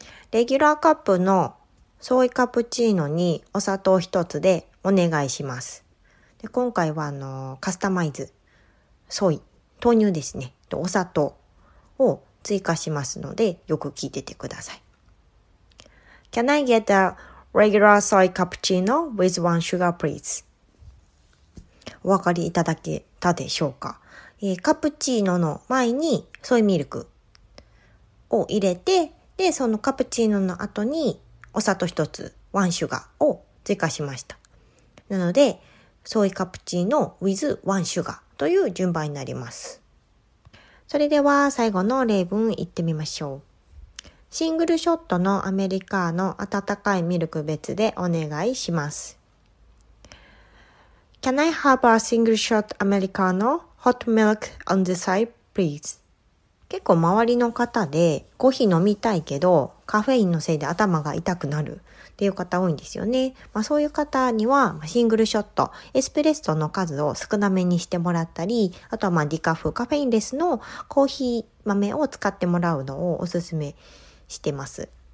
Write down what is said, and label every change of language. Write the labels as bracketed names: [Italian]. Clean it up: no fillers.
[Japanese] レギュラーカップのソイカプチーノにお砂糖一つでお願いします。で、今回はカスタマイズ、ソイ、豆乳ですね、とお砂糖を追加しますので、よく聞いててください。 [English] Can I get a regular soy cappuccino with one sugar, please? [Japanese] お分かりいただけたでしょうか？カプチーノの前にソイミルクを入れて、で、そのカプチーノの後にお砂糖一つ、ワンシュガーを追加しました。なので、ソイカプチーノ [English] with one sugar [Japanese] という順番になります。それでは最後の例文いってみましょう。シングルショットのアメリカーノ温かいミルク別でお願いします。 [English] Can I have a single shot Americano? Hot milk on the side, please. [Japanese] 結構周りの方でコーヒー飲みたいけどカフェインのせいで頭が痛くなるっていう方多いんですよね。まあそういう方にはシングルショット、エスプレッソの数を少なめにしてもらったり、あとはまあディカフ、カフェインレスのコーヒー豆を使ってもらうのをおすすめしてます。